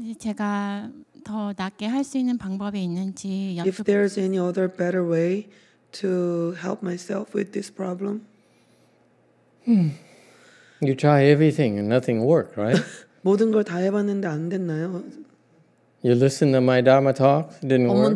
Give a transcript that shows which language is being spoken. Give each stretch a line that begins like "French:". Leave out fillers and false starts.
Korean: 제가 더 낫게 할 수 있는 방법이 있는지 여쭤.
English: If there's any other better way to help myself with this problem? You try everything and nothing work, right?
Korean: 모든 걸 다 해봤는데 안 됐나요?
English: You listen to my Dharma talk, didn't work.